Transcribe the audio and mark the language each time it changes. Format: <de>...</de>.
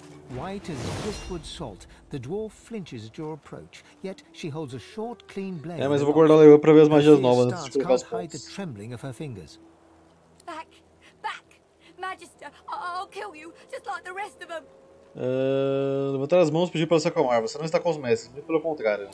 <en>White as driftwood salt, the dwarf flinches at your approach, yet she holds a short, clean blade.</en> <pt>É, mas eu vou guardar ela pra ver as magias novas antes de pegar os pontos.</pt> <en>Hide the trembling of her fingers. Back, back, Magister, I'll kill you, just like the rest of them.</en> <pt>Levantar as mãos e pedir pra você acalmar, você não está com os mestres, nem pelo contrário.</pt>